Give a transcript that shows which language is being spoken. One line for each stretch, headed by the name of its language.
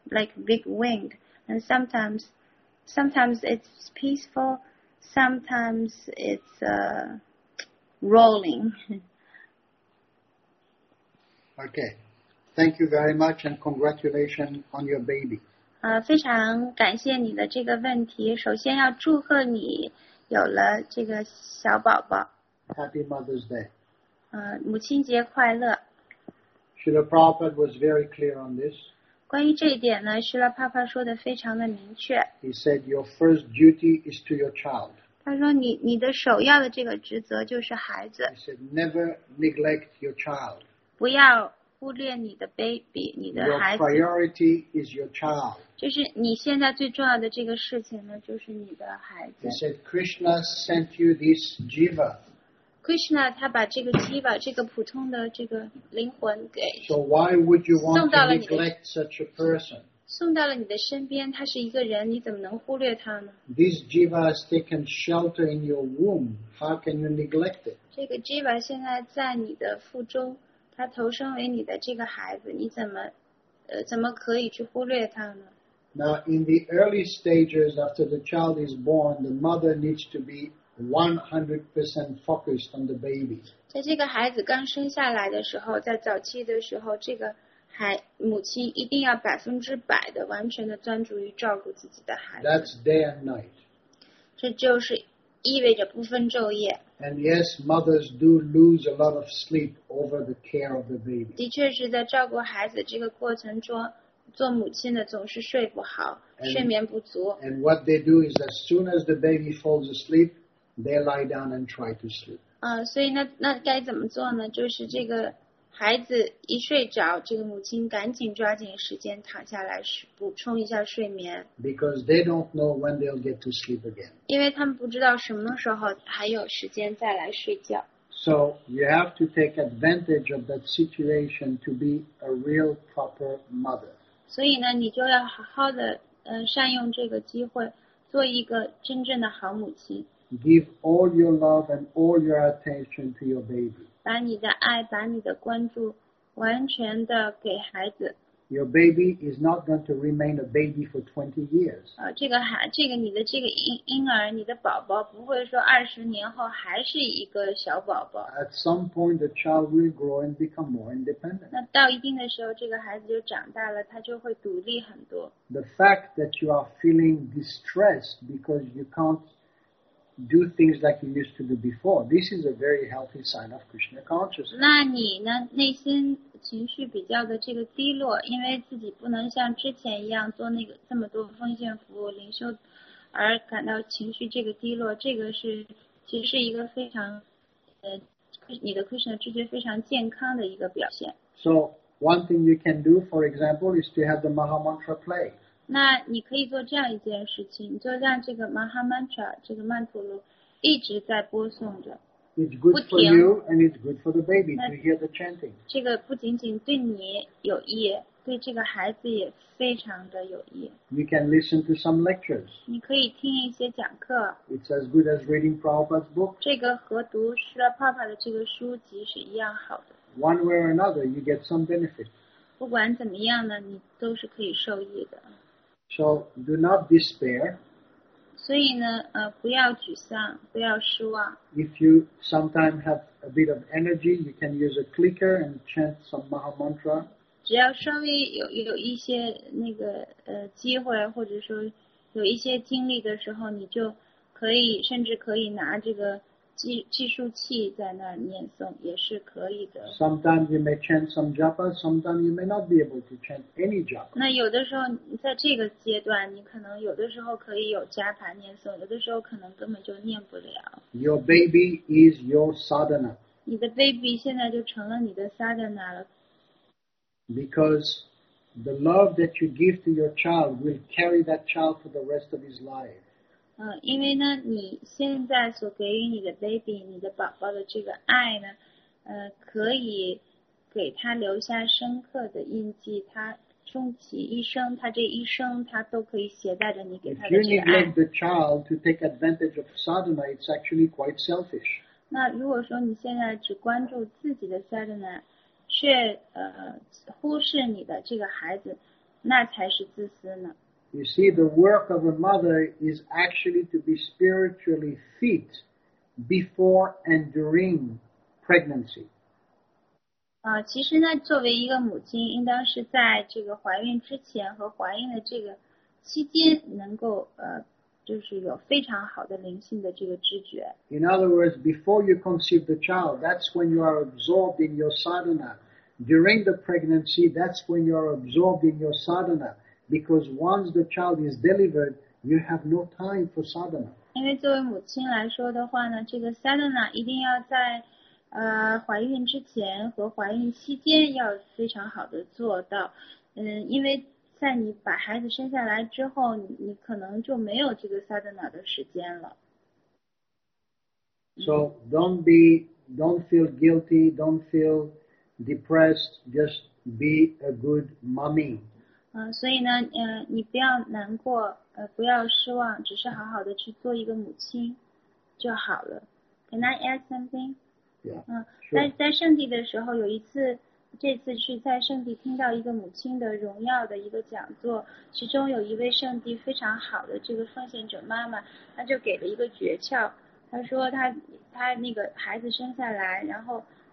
English: Like big wind. And sometimes it's peaceful, sometimes it's rolling. Okay. Thank you very much and congratulations on your baby.
Chinese: 非常感谢你的这个问题。首先要祝贺你有了这个小宝宝。
English: Happy Mother's Day.
Chinese: 母亲节快乐。
English: Srila Prabhupada was very clear on this.
Chinese: 关于这一点呢 ，Srila Prabhupada 说的非常的明确。
English: He said your first duty is to your child.
Chinese: 他说你的首要的这个职责就是孩子。
English: He said never neglect your child.
Chinese: 不要忽略你的 baby， 你的孩子。
English: Your priority is your child.
Chinese: 就是你现在最重要的这个事情呢，就是你的孩子。
English: He said Krishna sent you this jiva.
Chinese: Krishna 他把这个 jiva 这个普通的这个灵魂给。
English: So why would you want to neglect such a person?
Chinese: 送到了你的身边，他是一个人，你怎么能忽略他呢
English: ？This jiva has taken shelter in your womb. How can you neglect it?
Chinese: 这个 jiva 现在在你的腹中。他投生为你的这个孩子，你怎么可以去忽略他呢
English: ？Now in the early stages after the child is born, the mother needs to be 100% focused on the baby.
Chinese: 在这个孩子刚生下来的时候，在早期的时候，这个母亲一定要100%的完全的专注于照顾自己的孩子。
English: That's day and night.
Chinese: 这就是意味着不分昼夜。
English: And yes, mothers do lose a lot of sleep over the care of the baby.
Chinese: 的确是在照顾孩子这个过程中，做母亲的总是睡不好，睡眠不足。
English: And what they do is, as soon as the baby falls asleep, they lie down and try to sleep.
Chinese: 所以那该怎么做呢？就是这个孩子一睡着，这个母亲赶紧抓紧时间躺下来补充一下睡眠。
English: Because they don't know when they'll get to sleep again.
Chinese: 因为他们不知道什么时候还有时间再来睡觉。
English: So you have to take advantage of that situation to be a real proper mother.
Chinese: 所以呢，你就要好好的善用这个机会，做一个真正的好母亲。
English: Give all your love and all your attention to your baby.
Chinese: 把你的爱，把你的关注，完全的给孩子。
English: Your baby is not going to remain a baby for 20 years.
Chinese: 这个你的这个婴儿，你的宝宝不会说20年后还是一个小宝宝。
English: At some point, the child will grow and become more independent.
Chinese: 那到一定的时候，这个孩子就长大了，他就会独立很多。
English: The fact that you are feeling distressed because you can't. Do things like you used to do before. This is a very healthy sign of Krishna consciousness.
Chinese: 那你呢？内心情绪比较的这个低落，因为自己不能像之前一样做那个这么多奉献服务灵修，而感到情绪这个低落，这个是其实是一个非常，你的 Krishna 知觉非常健康的一个表现。
English: So one thing you can do, for example, is to have the Maha Mantra play.
Chinese: 那你可以做这样一件事情，你就让这个 Maha Mantra 这个曼陀罗一直在播送着。
English: It's good for you and it's good for the baby to hear the chanting.
Chinese: 这个不仅仅对你有益，对这个孩子也非常的有益。
English: You can listen to some lectures.
Chinese: 你可以听一些讲课。
English: It's as good as reading Prabhupada's book.
Chinese: 这个和读 Srila Prabhupada 的这个书籍是一样好的。
English: One way or another, you get some benefit.
Chinese: 不管怎么样呢，你都是可以受益的。
English: So do not despair.
Chinese: 所以呢，不要沮丧，不要失望。
English: If you sometimes have a bit of energy, you can use a clicker and chant some Maha Mantra.
Chinese: 只要稍微 有一些那个机会或者说有一些精力的时候，你就可以甚至可以拿这个计数器在那儿念诵，也是可以的。
English: Sometimes you may chant some japa, sometimes you may not be able to chant any japa.
Chinese: 那有的时候在这个阶段，你可能有的时候可以有加法念诵，有的时候可能根本就念不了。
English: Your baby is your sadhana.
Chinese: 你的 baby 现在就成了你的 sadhana 了。
English: Because the love that you give to your child will carry that child for the rest of his life.
Chinese: 因为呢你现在所给予你的 baby 你的宝宝的这个爱呢可以给他留下深刻的印记，他终其一生，他这一生他都可以携带着你给他的这个爱。
English: If you neglect the child to take advantage of sadhana, it's actually quite selfish.
Chinese: 那如果说你现在只关注自己的 sadhana, 却忽视你的这个孩子，那才是自私呢。
English: You see, the work of a mother is actually to be spiritually fit before and during pregnancy.
Chinese: 其实呢，作为一个母亲，应当是在这个怀孕之前和怀孕的这个期间，能够就是有非常好的灵性的这个知觉。
English: In other words, before you conceive the child, that's when you are absorbed in your sadhana. During the pregnancy, that's when you are absorbed in your sadhana. Because once the child is delivered, you have no time for sadhana.
Chinese: 因为作为母亲来说的话呢，这个 sadhana 一定要在怀孕之前和怀孕期间要非常好的做到。因为在你把孩子生下来之后，你可能就没有这个 sadhana 的时间了。
English: So don't feel guilty, don't feel depressed, just be a good mommy.
Chinese: 所以呢你不要难过不要失望，只是好好的去做一个母亲就好了。
English: Can I add something? Yeah,
Chinese: 在圣地的时候有一次，这次是在圣地听到一个母亲的荣耀的一个讲座，其中有一位圣地非常好的这个奉献者妈妈，她就给了一个诀窍，她说她那个孩子生下来，然后